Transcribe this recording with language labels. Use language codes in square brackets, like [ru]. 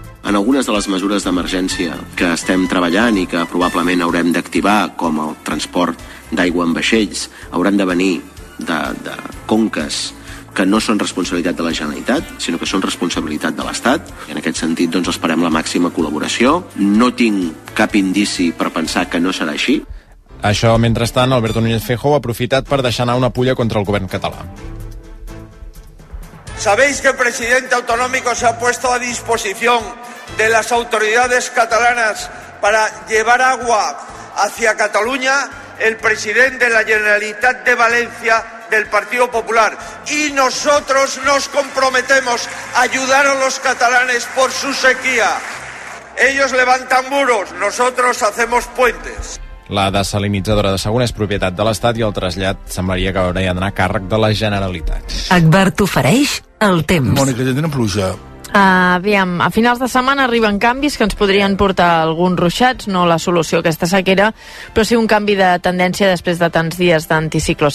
[ca] En algunes de les mesures d'emergència que estem treballant i que probablement haurem d'activar, com el transport d'aigua en vaixells, hauran de venir de conques que no són responsabilitat de la Generalitat, sinó que són responsabilitat de l'Estat. En aquest sentit, doncs, esperem la màxima col·laboració. No tinc cap indici per pensar que no serà així. Això, mentrestant, Alberto Núñez Feijóo ha aprofitat per deixar anar una pulla contra el govern català. [es] ¿Sabéis que el presidente autonómico se ha puesto a disposición de las autoridades catalanas para llevar agua hacia Cataluña? El presidente de la Generalitat de València del Partido Popular. Y nosotros nos comprometemos a ayudar a los catalanes por su sequía. Ellos levantan muros, nosotros hacemos puentes. [ca] La dessalinitzadora de Sagunt és propietat de l'Estat i el trasllat semblaria que hauria d'anar a càrrec de la Generalitat. Agbar t'ofereix el temps. Mònica, ja tenen pluja. Aviam, a finals de setmana arriben canvis que ens podrien portar alguns ruixats, no la solució a aquesta sequera, però sí un canvi de tendència després de tants dies d'anticiclo.